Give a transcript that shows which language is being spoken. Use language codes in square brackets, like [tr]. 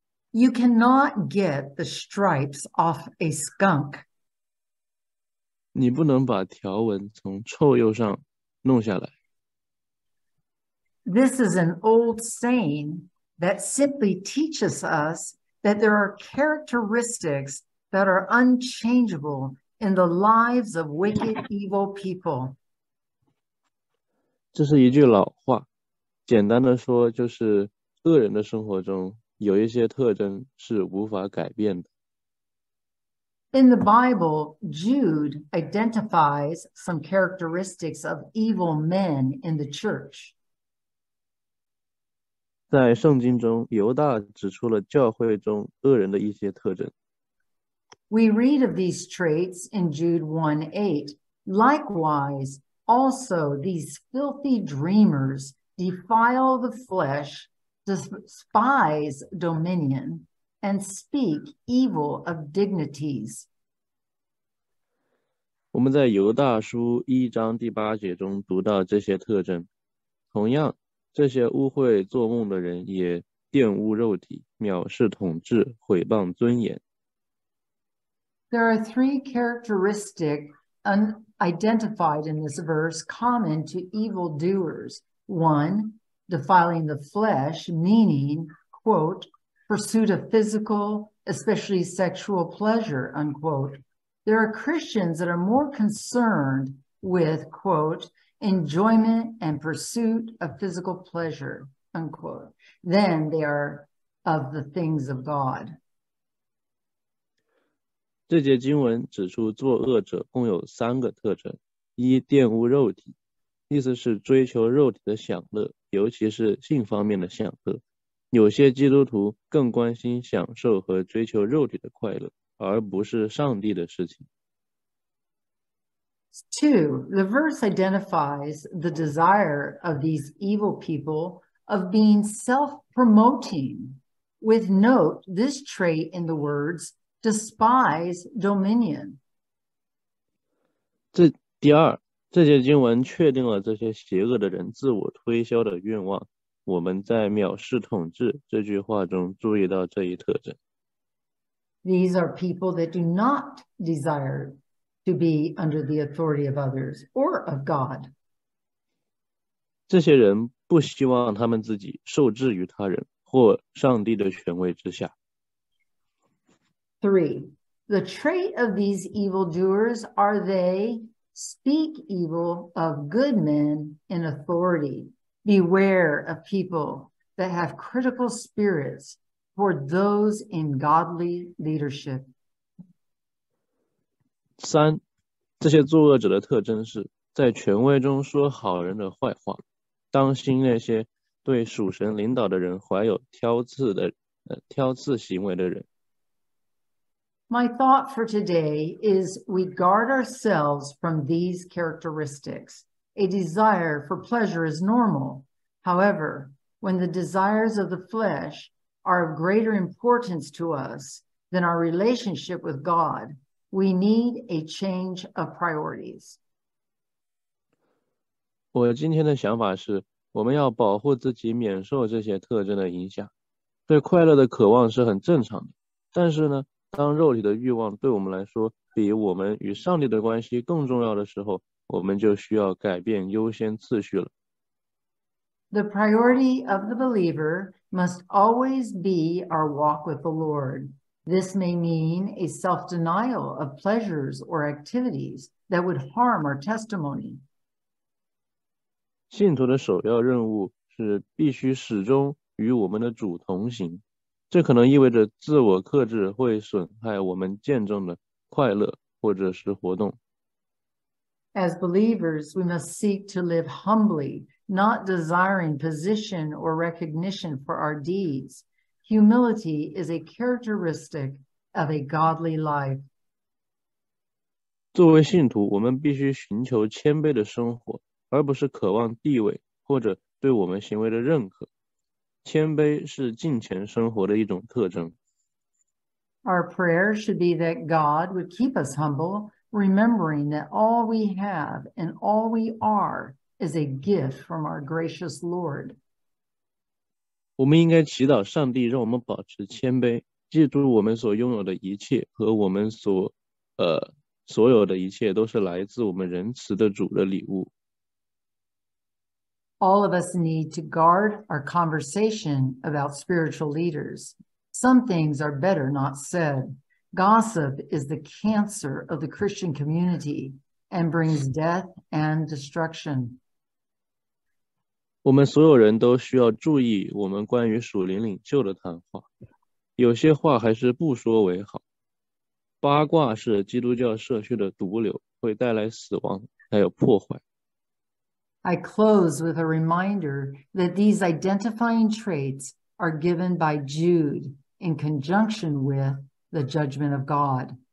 [en] You cannot get the stripes off a skunk. [zh] 你不能把条纹从臭鼬上弄下来。 [en] This is an old saying that simply teaches us that there are characteristics that are unchangeable in the lives of wicked, evil people. [zh] 这是一句老话，简单的说就是恶人的生活中有一些特征是无法改变的。 [en] In the Bible, Jude identifies some characteristics of evil men in the church. [zh] 在圣经中，犹大指出了教会中恶人的一些特征。 [en] We read of these traits in Jude 1:8. Likewise, also these filthy dreamers defile the flesh. Despise dominion and speak evil of dignities. [zh] 我们在犹大书一章第八节中读到这些特征。同样，这些污秽做梦的人也玷污肉体，藐视统治，毁谤尊严。 [en] There are three characteristics unidentified in this verse common to evil doers. One,defiling the flesh, meaning, quote, pursuit of physical, especially sexual pleasure, unquote. There are Christians that are more concerned with, quote, enjoyment and pursuit of physical pleasure, unquote, than they are of the things of God. [zh] 这节经文指出作恶者共有三个特征，一玷污肉体，意思是追求肉体的享乐。尤其是性方面的享乐，有些基督徒更关心享受和追求肉体的快乐，而不是上帝的事情。 [en] Two, the verse identifies the desire of these evil people of being self-promoting. With note this trait in the words despise dominion. [zh] 第二。这些经文确定了这些邪恶的人自我推销的愿望。我们在藐视统治这句话中注意到这一特征。 [en] These are people that do not desire to be under the authority of others or of God. [zh] 这些人不希望他们自己受制于他人或上帝的权威之下。 [en] Three, the trait of these evildoers are they... Speak evil of good men in authority. Beware of people that have critical spirits for those in godly leadership. [zh] 三，这些作恶者的特征是在权威中说好人的坏话。当心那些对属神领导的人怀有挑刺行为的人。 [en] My thought for today is we guard ourselves from these characteristics. A desire for pleasure is normal. However, when the desires of the flesh are of greater importance to us than our relationship with God, we need a change of priorities. [zh] 我今天的想法是，我们要保护自己免受这些特征的影响。对快乐的渴望是很正常的，但是呢，当肉体的欲望对我们来说比我们与上帝的关系更重要的时候，我们就需要改变优先次序了。 [en] The priority of the believer must always be our walk with the Lord. This may mean a self-denial of pleasures or activities that would harm our testimony. [zh] 信徒的首要任务是必须始终与我们的主同行。这可能意味着自我克制会损害我们见证的快乐或者是活动。 [en] As believers, we must seek to live humbly, not desiring position or recognition for our deeds. Humility is a characteristic of a godly life. [zh] 作为信徒，我们必须寻求谦卑的生活，而不是渴望地位或者对我们行为的认可。谦卑是敬虔生活的一种特征。 [en] Our prayer should be that God would keep us humble, remembering that all we have and all we are is a gift from our gracious Lord. [zh] 我们应该祈祷上帝让我们保持谦卑，记住我们所拥有的一切和我们所有的一切都是来自我们仁慈的主的礼物。 [en] All of us need to guard our conversation about spiritual leaders. Some things are better not said. Gossip is the cancer of the Christian community and brings death and destruction. [zh] 我们所有人都需要注意我们关于属灵领袖的谈话。有些话还是不说为好。八卦是基督教社区的毒瘤，会带来死亡，还有破坏。 [en] I close with a reminder that these identifying traits are given by Jude in conjunction with the judgment of God.